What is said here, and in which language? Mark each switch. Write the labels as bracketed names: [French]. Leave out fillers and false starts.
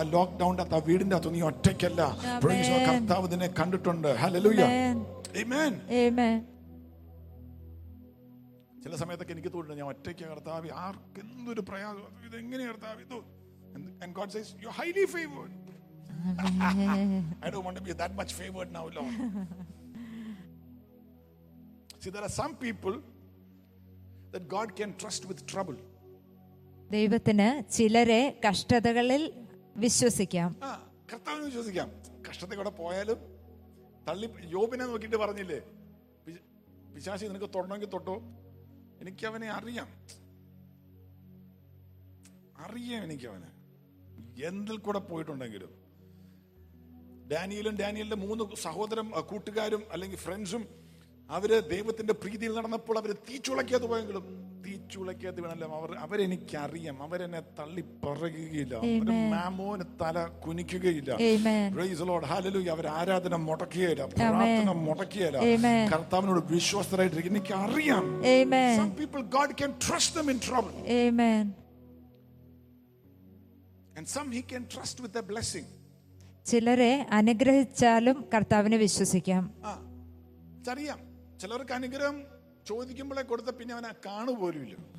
[Malayalam] ആ ലോക്ക്ഡൌണിന്റെ അകത്ത്, ആ വീടിന്റെ അകത്ത് നീ ഒറ്റയ്ക്കല്ല. [English] Praise the Lord. [Malayalam] കർത്താവ് നിന്നെ കണ്ടിട്ടുണ്ട്. ഹല്ലേലൂയ. ആമേൻ. ആമേൻ. ചില സമയത്തൊക്കെ എനിക്ക് തോന്നുന്നു ഞാൻ ഒറ്റയ്ക്ക കർത്താവ്, ആർക്കെന്തൊരു പ്രയാസം, ഇതെങ്ങനെ കർത്താവ്. [English] And God says, you're highly favored. I don't want to be that much favored now, Lord. See, there are some people that God can trust with trouble. [Malayalam] ദൈവത്തിനെ ചിലരെ കഷ്ടതകളിൽ വിശ്വസിക്കാം. കർത്താവിനെ വിശ്വസിക്കാം. കഷ്ടതയോടെ പോയാലും തള്ളി, യോബിനെ നോക്കിയിട്ട് പറഞ്ഞില്ലേ, പിശാചി നിനക്ക് തൊടണമെങ്കിൽ തൊട്ടോ, എനിക്കവനെ അറിയാം, അറിയാം എനിക്കവനെ, എന്തിൽ കൂടെ പോയിട്ടുണ്ടെങ്കിലും. ഡാനിയലും ഡാനിയലിന്റെ 3 സഹോദരം കൂട്ടുകാരും അല്ലെങ്കിൽ ഫ്രണ്ട്സും അവര് ദൈവത്തിന്റെ പ്രീതിയിൽ നടന്നപ്പോൾ അവര് തീച്ചുളക്കിയത് പോയെങ്കിലും തീച്ചുളയ്ക്കാതെ വേണമല്ലോ. അവർ അവരെനിക്കറിയാം, അവരെന്നെ തള്ളിപ്പറയുകയില്ല, മാമോന് തല കുനിക്കുകയില്ല. [English] praise Lord, [Malayalam] hallelujah. അവർ ആരാധന മുടക്കുകയില്ല, പ്രാർത്ഥന മുടക്കുകയില്ല, കർത്താവിനോട് വിശ്വസ്തരായിട്ട് എനിക്ക് അറിയാം. [English] Some people God can trust them in trouble. Amen. And some he can trust with a blessing. [Malayalam] ചിലരെ അനുഗ്രഹിച്ചാലും കർത്താവിനെ വിശ്വസിക്കാം. അറിയാം, ചിലർക്ക് അനുഗ്രഹം ചോദിക്കുമ്പോഴേ കൊടുത്ത പിന്നെ അവൻ ആ കാണുപോലുമില്ല.